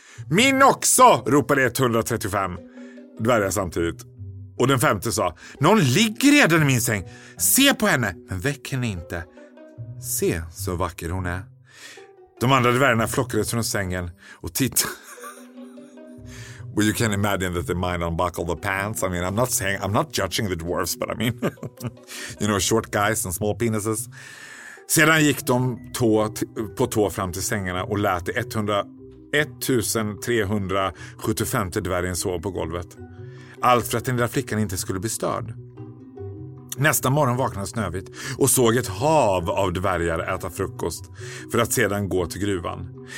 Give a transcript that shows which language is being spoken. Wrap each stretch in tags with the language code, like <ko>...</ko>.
<sv>Min också, ropade 135 dvärgar samtidigt. Och den femte sa, någon ligger redan i min säng. Se på henne, men väck henne inte. Se, så vacker hon är. De andra dvärgarna flockades från sängen och tittade.</sv> <en>Well, you can imagine that they might unbuckle the pants. I mean, I'm not judging the dwarves, but I mean, you know, short guys and small penises.</en> <sv>Sedan gick de på tå fram till sängarna och lät 1375 dvärgen sova på golvet. Allt för att den där flickan inte skulle bli störd. Nästa morgon vaknade Snövit och såg ett hav av dvärgar äta frukost för att sedan gå till gruvan.</sv>